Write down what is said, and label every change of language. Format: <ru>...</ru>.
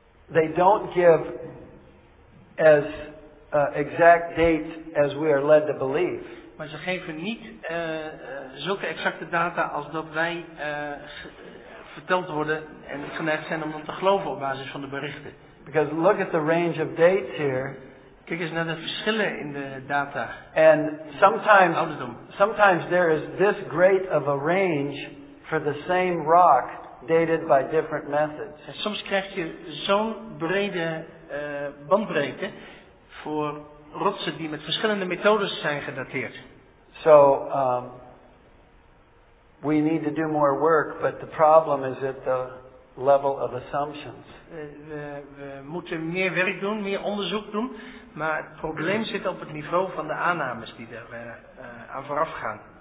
<en>they don't give as exact dates as we are led to believe.</en> <nl>Maar ze geven niet zulke exacte data als dat wij verteld worden en geneigd zijn om dan te geloven op basis van de berichten.</nl> <en>Because look at the range of dates here.</en> <nl>Kijk eens naar de verschillen in de data.</nl> <en>And sometimes there is this great of a range for the same rock dated by different methods.</en> <nl>En soms krijg je zo'n brede bandbreedte voor rotsen die met verschillende methodes zijn gedateerd.</nl> <en>So we need to do more work, but the problem is at the level of assumptions.</en> <nl>We moeten meer werk doen, meer onderzoek doen, maar het probleem zit op het niveau van de aannames die er aan vooraf gaan.</nl>